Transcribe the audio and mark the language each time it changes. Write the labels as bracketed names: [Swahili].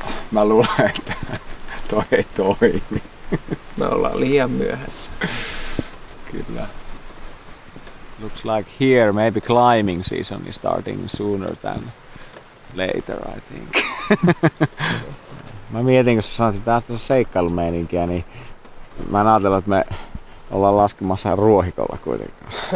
[Finnish] Mä luulen, että toi ei toimi. Me ollaan liian myöhässä. Kyllä. [English] Looks like here maybe climbing season is starting sooner than later, I think. [Finnish] Mä mietin, kun sä sanoit, että tästä on seikkailumeininkiä, niin mä en ajatellut, että me ollaan laskemassa ruohikolla kuitenkaan.